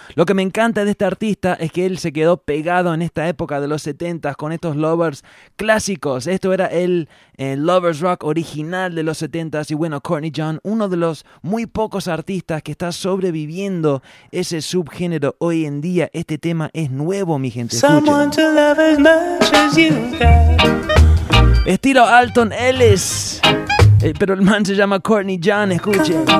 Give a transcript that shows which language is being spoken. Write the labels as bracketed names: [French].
[Spanish] Lo que me encanta de este artista es que él se quedó pegado en esta época de los 70s con estos lovers clásicos. Esto era el lovers rock original de los 70s. Y bueno, Courtney John, uno de los muy pocos artistas que está sobreviviendo ese subgénero hoy en día. Este tema es nuevo, mi gente. [English] Someone to love as much as you got. [Spanish] Estilo Alton Ellis. Pero el man se llama Courtney John, escuche.